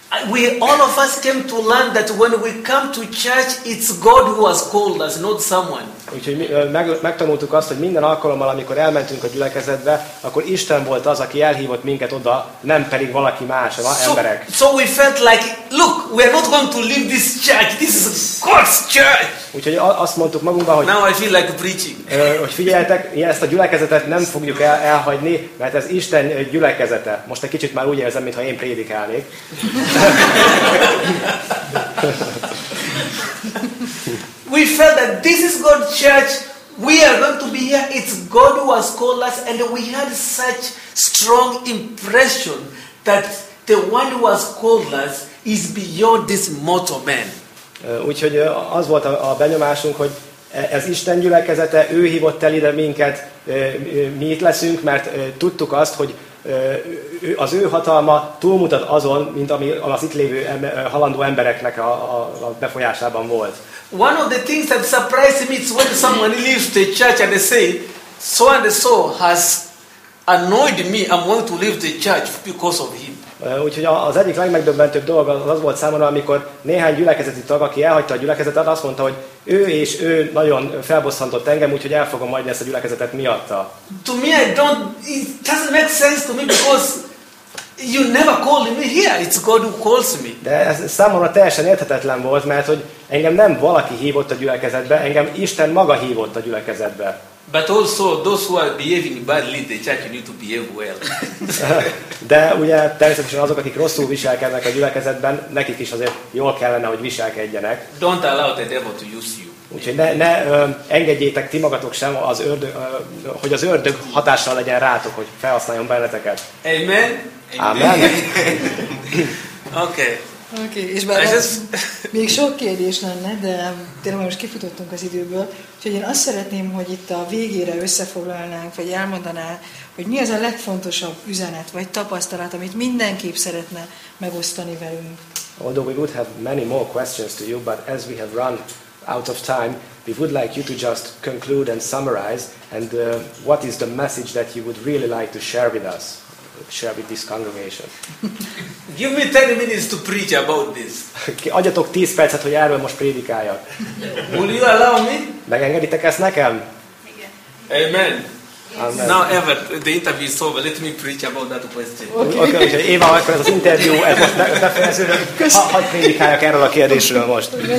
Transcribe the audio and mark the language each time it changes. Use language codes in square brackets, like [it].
[en] We all of us came to learn that when we come to church, it's God who has called us, not someone. [hu] Úgyhogy megtanultuk azt, hogy minden alkalommal, amikor elmentünk a gyülekezetbe, akkor Isten volt az, aki elhívott minket oda, nem pedig valaki más, emberek. [en] So we felt like, look, we are not going to leave this church. This is God's church. [hu] Úgyhogy azt mondtuk magunkban, hogy [en] now I feel like preaching. [hu] Hogy figyeljetek, ezt a gyülekezetet nem fogjuk elhagyni, mert ez Isten gyülekezete. Most egy kicsit már úgy érzem, mintha én prédikálnék. [en] We felt that this is God's church. We are going to be here. It's God who has called us, and we had such strong impression that the one who has called us is beyond this mortal man. [hu] Úgyhogy az volt a benyomásunk, hogy ez Isten gyülekezete, ő hívott el ide minket, mi itt leszünk, mert tudtuk azt, hogy az ő hatalma túlmutat azon, mint ami az itt lévő halandó embereknek a befolyásában volt. [en] One of the things that surprised me is when someone leaves the church and they say, so and so has annoyed me, I'm going to leave the church because of him. [hu] Úgyhogy az egyik legmegdöbbentőbb dolog az volt számomra, amikor néhány gyülekezeti tag, aki elhagyta a gyülekezetet, azt mondta, hogy ő és ő nagyon felbosszantott engem, úgyhogy el fogom majd ezt a gyülekezetet miatta. [en] To me, I don't, it doesn't make sense to me because you never called me here, it's God who calls me. [hu] De ez számomra teljesen érthetetlen volt, mert hogy engem nem valaki hívott a gyülekezetbe, engem Isten maga hívott a gyülekezetbe. [en] But also those who are behaving badly in the church, you need to behave well. [hu] De ugye természetesen azok, akik rosszul viselkednek a gyülekezetben, nekik is azért jól kellene, hogy viselkedjenek. [en] Don't allow the devil to use you. [hu] Úgyhogy ne engedjétek ti magatok sem, az ördög, hogy az ördög hatással legyen rátok, hogy felhasználjon benneteket. Amen. Amen. [en] Okay. [hu] Oké, okay, és bár még sok kérdés lenne, de tényleg most kifutottunk az időből, úgyhogy én azt szeretném, hogy itt a végére összefoglalnánk, vagy elmondanál, hogy mi az a legfontosabb üzenet, vagy tapasztalat, amit mindenképp szeretne megosztani velünk. [en] Although we would have many more questions to you, but as we have run out of time, we would like you to just conclude and summarize, and what is the message that you would really like to share with us? Share with this congregation. Give me 10 minutes to preach about this. [hu] Adjatok 10 percet, hogy erről most prédikáljak. [en] Will you allow me? [hu] Megengeditek ezt nekem? Igen. [en] Amen. Amen. Now, Eva, the interview is over. Let me preach about that question. Okay. Okay. [hu] Eva, akkor ez az interjú, ez most befejeződik. Hadd prédikáljak erről a kérdésről most.